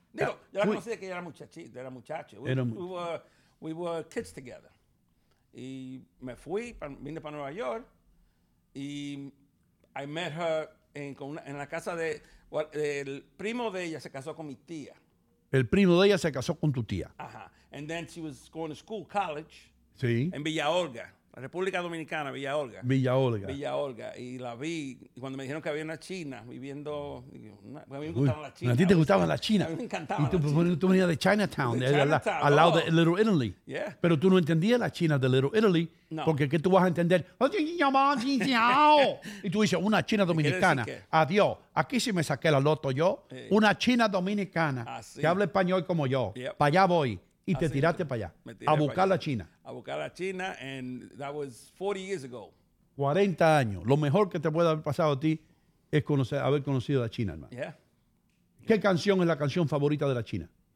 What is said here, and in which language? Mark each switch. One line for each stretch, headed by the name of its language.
Spanish: Digo, yo la conocí de que era muchacho.
English: We were kids together.
Spanish: Y me fui, vine para Nueva York. Y
English: I met her
Spanish: en la casa de... El primo de ella se casó con mi tía. El primo de ella se casó con tu tía. Ajá.
English: And then she was going to school, college.
Spanish: Sí. En Villa Olga. La República Dominicana, Villa Olga. Villa Olga. Villa Olga. Y la vi. Y cuando me dijeron que había una china viviendo... A mí me gustaba la china. ¿A ti te gustaba la china? A mí me encantaba. Y tú venías de Chinatown. Al lado de Little Italy.
English: Yeah.
Spanish: Pero tú no entendías la china de Little Italy. No. Porque ¿qué tú vas a entender? Y tú dices, una china dominicana. Adiós. Aquí sí me saqué la loto yo. Una china dominicana. Así. Que habla español como yo.
English: Yep.
Spanish: Para allá voy. Y te tiraste para allá. A buscar la china. A buscar la china,
English: and that was 40 years ago.
Spanish: 40 años. Lo mejor que te puede haber pasado a ti es haber conocido a la china, hermano.
English: Yeah.
Spanish: ¿Qué canción es la canción favorita de la china?